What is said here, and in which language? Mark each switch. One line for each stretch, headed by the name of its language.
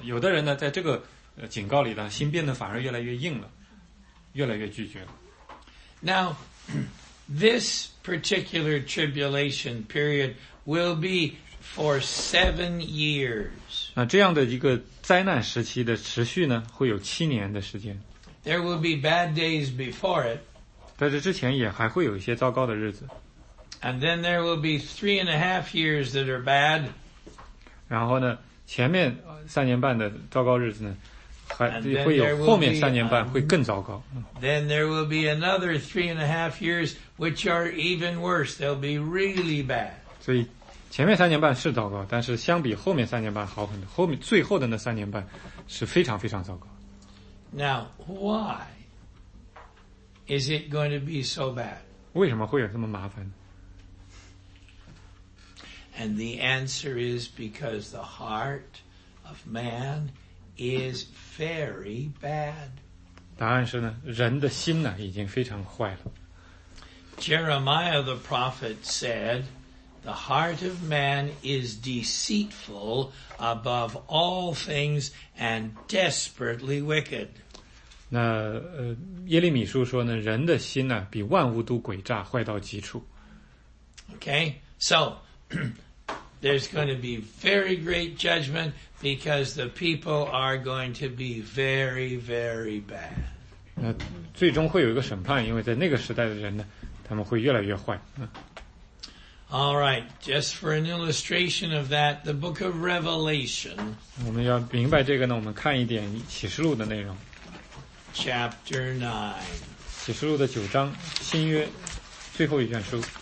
Chinese: 有的人呢，在这个警告里呢，心变得反而越来越硬了，越来越拒绝了。
English: Now, this particular tribulation period will be for 7 years.
Chinese: 那这样的一个灾难时期的持续呢，会有七年的时间。
English: There will be bad days before it.
Chinese: 在这之前也还会有一些糟糕的日子。
English: And then there will be 3.5 years that are bad.
Chinese: 然后呢，前面三年半的糟糕日子呢，会有后面三年半会更糟糕。
English: Then there will be another 3.5 years which are even worse. They'll be really bad.
Chinese: 所以前面三年半是糟糕，但是相比后面三年半好很多。后面最后的那三年半是非常非常糟糕。
English: Now, why is it going to be so bad?
Chinese: 为什么会有这么麻烦呢？
English: And the answer is because the heart of man is very bad.
Chinese: 答案是呢，人的心呢已经非常坏了。
English: Jeremiah the prophet said,The heart of man is deceitful above all things and desperately wicked.
Chinese: 那耶利米书说呢，人的心呢比万物都诡诈，坏到极处。
English: Okay, so there's going to be very great judgment because the people are going to be very, very bad.
Chinese: 那最终会有一个审判，因为在那个时代的人呢，他们会越来越坏。
English: All right, just for an illustration of that, the book of Revelation.
Chinese: 我们要明白这个呢，我们看一点启示录的内容。
English: Chapter 9.
Chinese: 启示录的九章，新约最后一卷书。